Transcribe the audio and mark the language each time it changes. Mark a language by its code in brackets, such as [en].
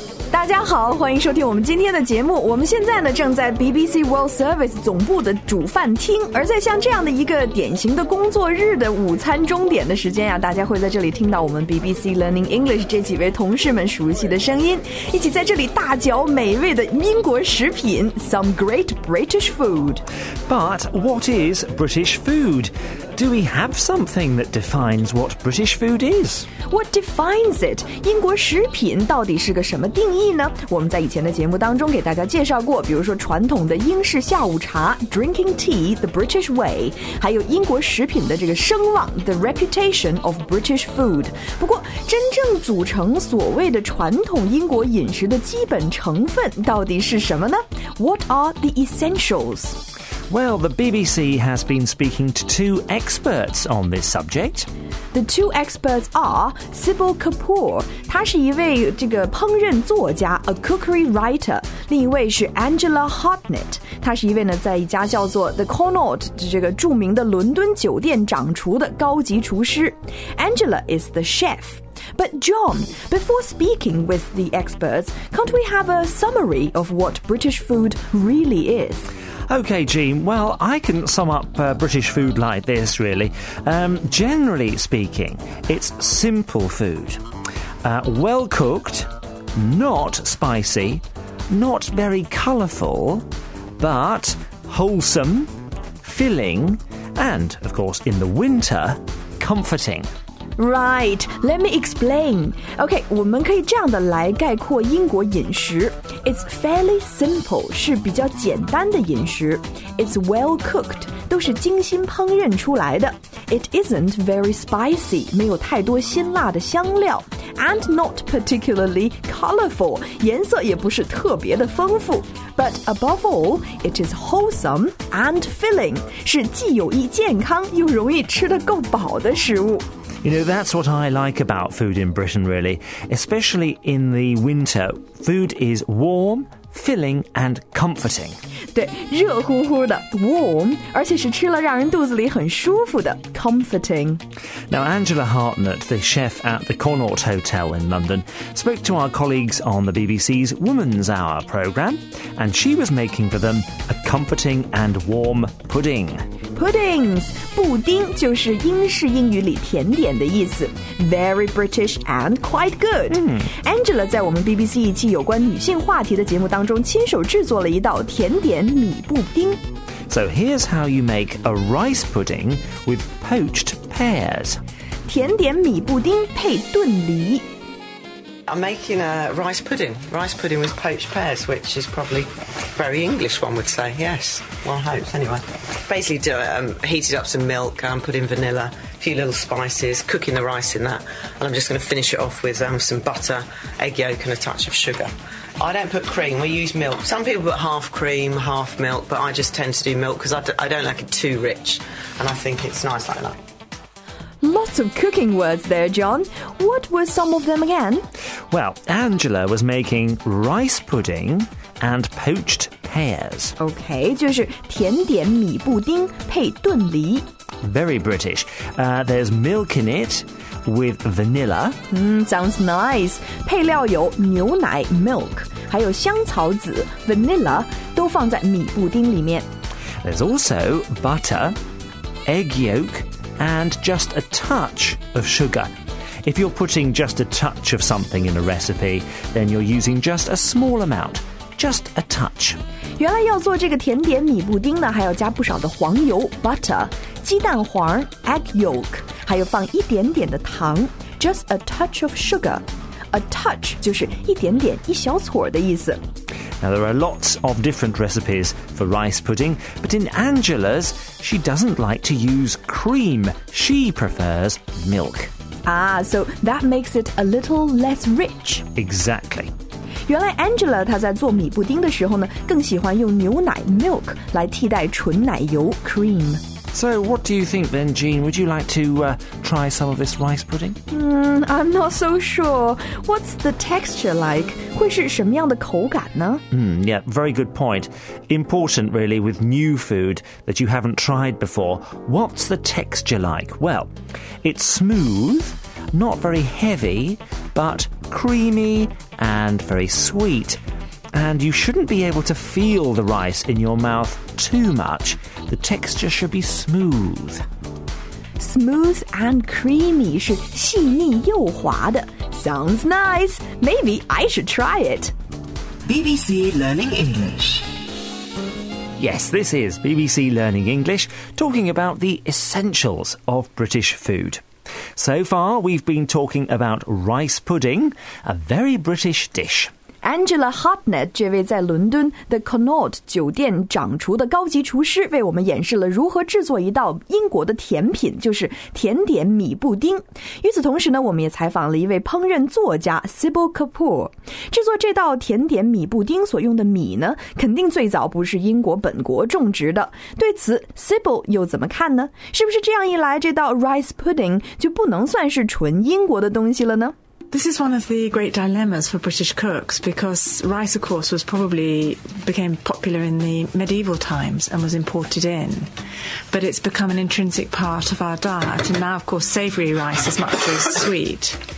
[zh] 大家好，欢迎收听我们今天的节目。我们现在呢正在 BBC World Service 总部的主饭厅，而在像这样的一个典型的工作日的午餐钟点的时间呀，大家会在这里听到我们 BBC Learning English 这几位同事们熟悉的声音，一起在这里大嚼美味的英国食品 [en] Some great British food. But what is British food? Do we have something that defines what British food is? What defines it? [zh] 英国食品到底是个什么定义呢？我们在以前的节目当中给大家介绍过，比如说传统的英式下午茶 [en] Drinking tea, the British way, [zh] 还有英国食品的这个声望 [en] The reputation of British food. [zh] 不过真正组成所谓的传统英国饮食的基本成分到底是什么呢？ [en] What are the essentials? Well, the BBC has been speaking to two experts on this subject. The two experts are Sybil Kapoor. [zh] 她是一位这个烹饪作家 [en] a cookery writer. [zh] 另一位是 Angela Hartnett. 她是一位呢在一家叫做 The Connaught 这个著名的伦敦酒店掌厨的高级厨师。 [en] Angela is the chef. But John, before speaking with the experts, can't we have a summary of what British food really is? Okay, Jean. Well, I can sum up British food like this, really. Generally speaking, it's simple food. Well-cooked, not spicy, not very colourful, but wholesome, filling, and, of course, in the winter, comforting. Right, let me explain. [zh] Okay, 我们可以这样的来概括英国饮食。 [en] It's fairly simple, [zh] 是比较简单的饮食。 [en] It's well cooked, [zh] 都是精心烹饪出来的。 [en] It isn't very spicy, [zh] 没有太多辛辣的香料。 [en] And not particularly colorful, [zh] 颜色也不是特别的丰富。 [en] But above all, it is wholesome and filling, [zh] 是既有益健康又容易吃得够饱的食物。 [en] You know, that's what I like about food in Britain, really. Especially in the winter, food is warm, filling, and comforting. [zh] 对，热乎乎的 warm, 而且是吃了让人肚子里很舒服的 comforting. [en] Now, Angela Hartnett, the chef at the Connaught Hotel in London, spoke to our colleagues on the BBC's Woman's Hour programme, and she was making for them a comforting and warm pudding. [zh] Puddings, 布丁就是英式英语里甜点的意思 [en] Very British and quite good、 [zh] Angela 在我们 BBC 一期有关女性话题的节目当中亲手制作了一道甜点米布丁 [en] So here's how you make a rice pudding with poached pears [zh] 甜点米布丁配炖梨 [en] I'm making a rice pudding with poached pears, which is probably very English, one would say, yes. Well, I hope, anyway. Basically, heated up some milk, put in vanilla, a few little spices, cooking the rice in that, and I'm just going to finish it off with some butter, egg yolk, and a touch of sugar. I don't put cream, we use milk. Some people put half cream, half milk, but I just tend to do milk because I don't like it too rich, and I think it's nice like that. Lots of cooking words there, John. What were some of them again? Well, Angela was making rice pudding and poached pears. [zh] Okay, 就是甜点米布丁配炖梨。 [en] Very British. There's milk in it with vanilla. Sounds nice. [zh] 配料有牛奶 milk, 还有香草籽 vanilla, 都放在米布丁里面。 [en] There's also butter, egg yolk,and just a touch of sugar. If you're putting just a touch of something in a recipe, then you're using just a small amount, just a touch. [zh] 原来要做这个甜点米布丁呢，还要加不少的黄油 butter, 鸡蛋黄 egg yolk, 还有放一点点的糖 [en] just a touch of sugar. [zh] A touch 就是一点点一小撮的意思。 [en] Now, there are lots of different recipes for rice pudding, but in Angela's, she doesn't like to use cream. She prefers milk. Ah, so that makes it a little less rich. Exactly. [zh] 原来 Angela 她在做米布丁的时候呢，更喜欢用牛奶 milk 来替代纯奶油 cream. [en] So, what do you think then, Jean? Would you like to try some of this rice pudding? I'm not so sure. What's the texture like? [zh] 会是什么样的口感呢？ [en] Yeah, very good point. Important, really, with new food that you haven't tried before. What's the texture like? Well, it's smooth, not very heavy, but creamy and very sweet. And you shouldn't be able to feel the rice in your mouth too much. The texture should be smooth. Smooth and creamy [zh] 是细腻又滑的。 [en] Sounds nice. Maybe I should try it. BBC Learning English. Yes, this is BBC Learning English, talking about the essentials of British food. So far, we've been talking about rice pudding, a very British dish. [zh] Angela Hartnett, 这位在伦敦 The Connaught 酒店掌厨的高级厨师，为我们演示了如何制作一道英国的甜品，就是甜点米布丁。与此同时呢，我们也采访了一位烹饪作家 Sybil Kapoor。制作这道甜点米布丁所用的米呢，肯定最早不是英国本国种植的。对此 ，Sybil 又怎么看呢？是不是这样一来，这道 rice pudding 就不能算是纯英国的东西了呢？ [en] This is one of the great dilemmas for British cooks because rice, of course, was probably became popular in the medieval times and was imported in. But it's become an intrinsic part of our diet. And now, of course, savoury rice as much as sweet.